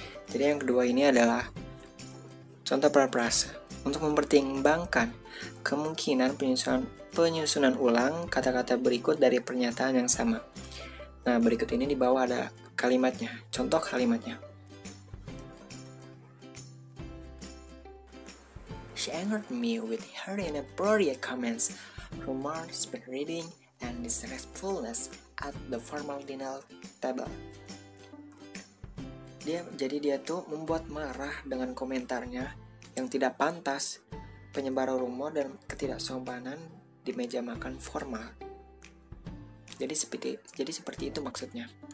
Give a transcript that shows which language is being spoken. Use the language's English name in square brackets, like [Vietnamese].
[Indonesian] Jadi yang kedua ini adalah contoh paraphrase untuk mempertimbangkan kemungkinan penyusunan ulang kata-kata berikut dari pernyataan yang sama. Nah, berikut ini di bawah ada kalimatnya, contoh kalimatnya. [English] She angered me with her inappropriate comments, remarks, bad reading, and disrespectfulness at the formal dinner table. [Indonesian] Dia tuh membuat marah dengan komentarnya yang tidak pantas, penyebar rumor, dan ketidaksopanan di meja makan formal. Jadi seperti itu maksudnya.